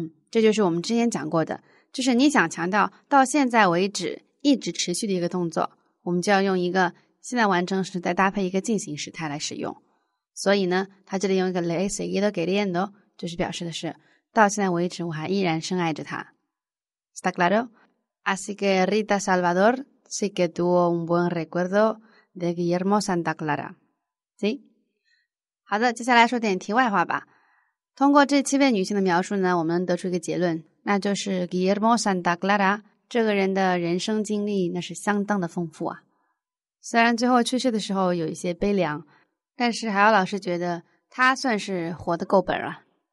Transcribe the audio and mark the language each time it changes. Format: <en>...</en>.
<zh>这就是我们之前讲过的，就是你想强调到现在为止一直持续的一个动作，我们就要用一个现在完成时再搭配一个进行时态来使用。所以呢，他这里用一个</zh> <es>le he seguido queriendo，</es> <zh>就是表示的是到现在为止我还依然深爱着他。</zh> <es>Está claro? Así que Rita Salvador sí que tuvo un buen recuerdo de Guillermo Santa Clara. ¿Sí?</es> <zh>好的，接下来说点题外话吧。通过这七位女性的描述呢，我们得出一个结论，那就是 Guillermo Santa Clara 这个人的人生经历那是相当的丰富啊。虽然最后去世的时候有一些悲凉，但是海奥老师觉得他算是活得够本了。</zh>